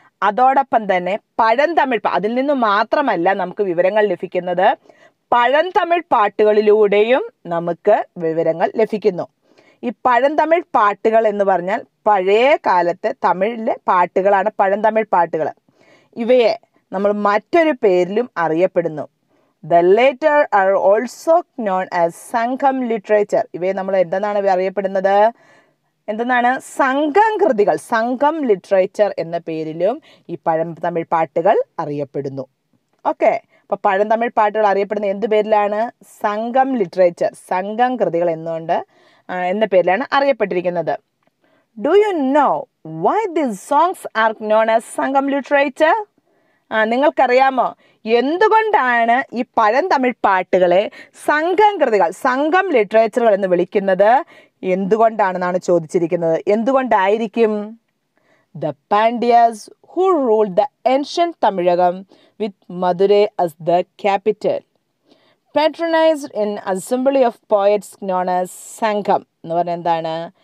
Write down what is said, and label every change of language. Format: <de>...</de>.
<ml>അതോടൊപ്പം തന്നെ പഴന്തമിഴ്, അതിൽ നിന്ന് മാത്രമല്ല നമുക്ക് വിവരങ്ങൾ ലഭിക്കുന്നത്, പഴന്തമിഴ് പാട്ടുകളിലൂടെയും നമുക്ക് വിവരങ്ങൾ ലഭിക്കുന്നു. ഈ പഴന്തമിഴ് പാട്ടുകൾ എന്ന് പറഞ്ഞാൽ പഴയ കാലത്തെ തമിഴിലെ പാട്ടുകളാണ് പഴന്തമിഴ് പാട്ടുകൾ. ഇവയെ നമ്മൾ മറ്റൊരു പേരിലും അറിയപ്പെടുന്നു.</ml> <en>The latter are also known as Sangham literature.</en> <ml>ഇവയെ നമ്മൾ എന്തെന്നാണ് അറിയപ്പെടുന്നത്? എന്തെന്നാണ്? സംഘം കൃതികൾ, സംഘം ലിറ്ററേച്ചർ എന്ന പേരിലും ഈ പഴന്തമിഴ് പാട്ടുകൾ അറിയപ്പെടുന്നു. ഓക്കെ. അപ്പം പഴന്തമിഴ് പാട്ടുകൾ അറിയപ്പെടുന്ന എന്ത് പേരിലാണ്? സംഘം ലിറ്ററേച്ചർ, സംഘം കൃതികൾ എന്ന പേരിലാണ് അറിയപ്പെട്ടിരിക്കുന്നത്.</ml> <en>Do you know why these songs are known as Sangham literature?</en> <ml>നിങ്ങൾക്കറിയാമോ എന്തുകൊണ്ടാണ് ഈ പഴന്തമിഴ് പാട്ടുകളെ സംഘം കൃതികൾ, സംഘം ലിറ്ററേച്ചറുകൾ എന്ന് വിളിക്കുന്നത്? എന്തുകൊണ്ടാണെന്നാണ് ചോദിച്ചിരിക്കുന്നത്. എന്തുകൊണ്ടായിരിക്കും?</ml> <en>the Pandyas who ruled the ancient Tamilakam with Madurai as the capital patronised in assembly of poets known as Sangam</en> <ml>എന്ന് പറഞ്ഞാൽ എന്താണ്?</ml>